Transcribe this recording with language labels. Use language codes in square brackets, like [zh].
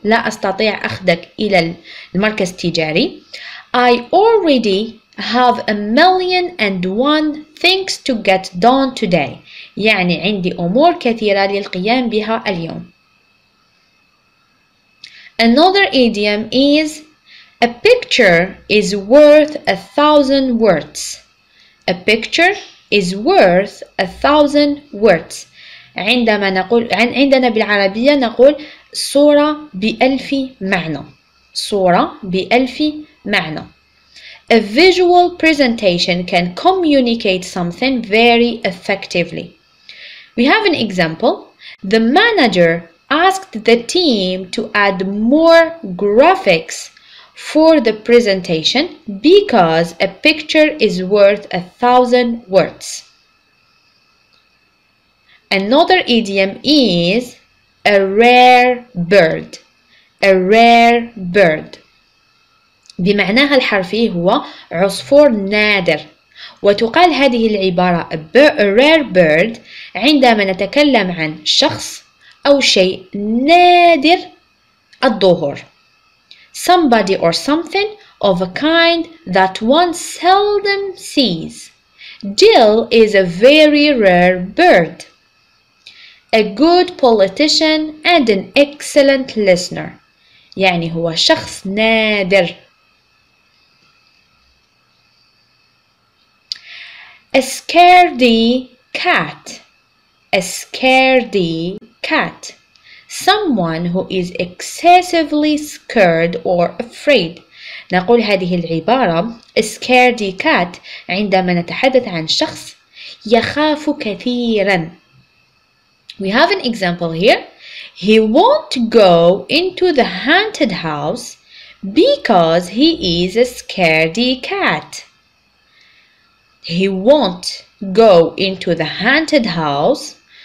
[ar] لا أستطيع أخذك إلى المركز التجاري. [en] I already have a million and one things to get done today. [ar] يعني عندي أمور كثيرة للقيام بها اليوم. [en] Another idiom is a picture is worth a thousand words. A picture is worth a thousand words. [ar] عندما نقول عندنا بالعربية نقول صورة بألف معنى. صورة بألف معنى. [en] A visual presentation can communicate something very effectively. We have an example. The manager asked the team to add more graphics for the presentation because a picture is worth 1,000 words. Another idiom is a rare bird. A rare bird. [ar] بمعناها الحرفي هو عصفور نادر. وتقال هذه العبارة [en] a rare bird [ar] عندما نتكلم عن شخص أو شيء نادر الظهور. [en] Somebody or something of a kind that one seldom sees. Jill is a very rare bird. A good politician and an excellent listener. [ar] يعني هو شخص نادر. [en] A scaredy cat. A scaredy cat. Someone who is excessively scared or afraid. [ar] نقول هذه العبارة [en] A scaredy cat [ar] عندما نتحدث عن شخص يخاف كثيرا. [en] We have an example here. He won't go into the haunted house because he is a scaredy cat. He won't go into the haunted house.